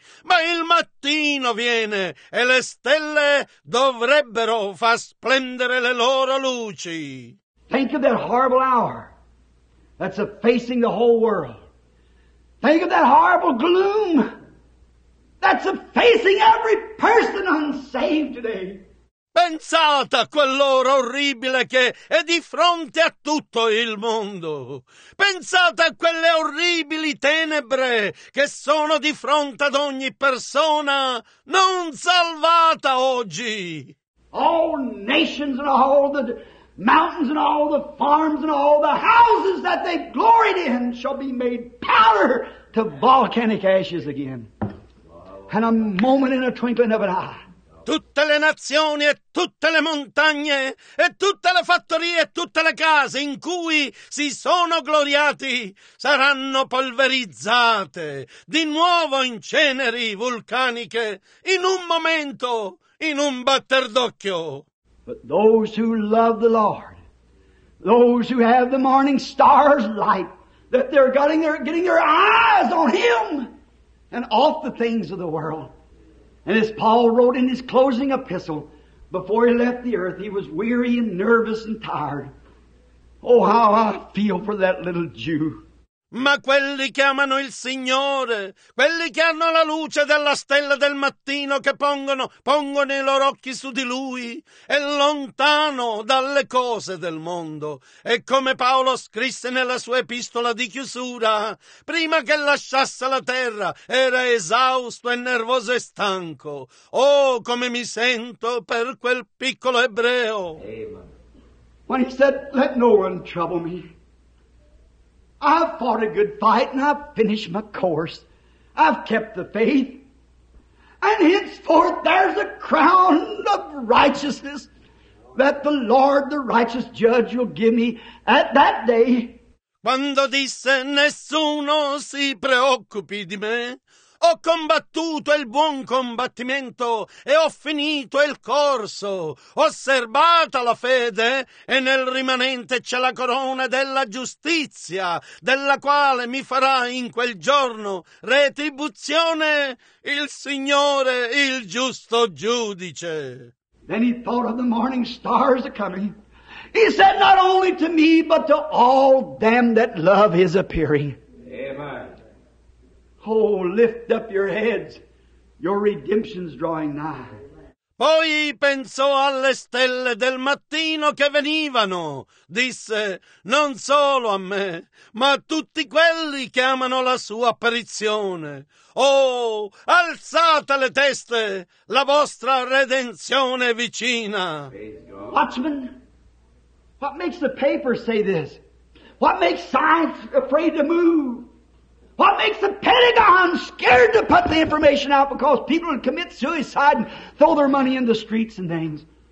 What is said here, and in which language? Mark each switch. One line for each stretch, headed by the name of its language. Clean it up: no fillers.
Italian: Ma il mattino viene e le stelle dovrebbero far splendere le loro luci.
English: Think of that horrible hour that's facing the whole world. Think of that horrible gloom that's facing every person unsaved today.
Italian: Pensate a quell'ora orribile che è di fronte a tutto il mondo. Pensate a quelle orribili tenebre che sono di fronte ad ogni persona non salvata oggi.
English: All nations and all the mountains and all the farms and all the houses that they gloried in shall be made powder to volcanic ashes again. And a moment in a twinkling of an eye.
Italian: Tutte le nazioni e tutte le montagne e tutte le fattorie e tutte le case in cui si sono gloriati saranno polverizzate di nuovo in ceneri vulcaniche in un momento, in un batter d'occhio.
English: But those who love the Lord, those who have the morning star's light, that they're getting their eyes on Him and off the things of the world. And as Paul wrote in his closing epistle, before he left the earth, he was weary and nervous and tired. Oh, how I feel for that little Jew.
Italian: Ma quelli che amano il Signore, quelli che hanno la luce della stella del mattino che pongono i loro occhi su di Lui, è lontano dalle cose del mondo. E come Paolo scrisse nella sua epistola di chiusura, prima che lasciasse la terra era esausto e nervoso e stanco. Oh, come mi sento per quel piccolo ebreo!
English: When he said, let no one trouble me. I've fought a good fight and I've finished my course. I've kept the faith. And henceforth there's a crown of righteousness that the Lord, the righteous judge, will give me at that day.
Italian: Quando disse, nessuno si preoccupi di me. Ho combattuto il buon combattimento e ho finito il corso. Ho osservata la fede e nel rimanente c'è la corona della giustizia, della quale mi farà in quel giorno retribuzione il Signore, il giusto giudice.
English: Then he thought of the morning stars coming. He said, not only to me, but to all them that love his appearing. Oh, lift up your heads. Your redemption's drawing nigh.
Italian: Poi pensò alle stelle del mattino che venivano. Disse, non solo a me, ma a tutti quelli che amano la sua apparizione. Oh, alzate le teste. La vostra redenzione è vicina.
English: Watchman, what makes the paper say this? What makes science afraid to move? What makes the Pentagon scared to put the information out because people would commit suicide and throw their money in the streets and things?